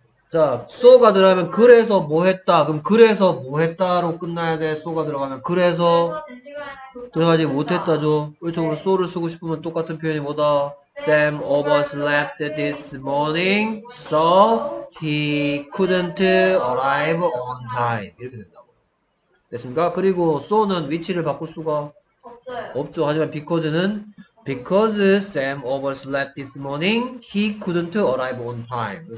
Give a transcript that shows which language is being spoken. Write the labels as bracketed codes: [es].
[ko] 자, 소가 들어가면 그래서 뭐 했다. 그럼 그래서 뭐 했다로 끝나야 돼. 소가 들어가면 그래서 들어가지 못했다죠. 이쪽으로 소를 쓰고 싶으면 똑같은 표현이 뭐다? [en] Sam overslept this morning, so he couldn't arrive on time. [ko] 이렇게 된다고. 됐습니까? 그리고 so는 위치를 바꿀 수가 없죠. [en] 하지만 because Sam overslept this morning, he couldn't arrive on time.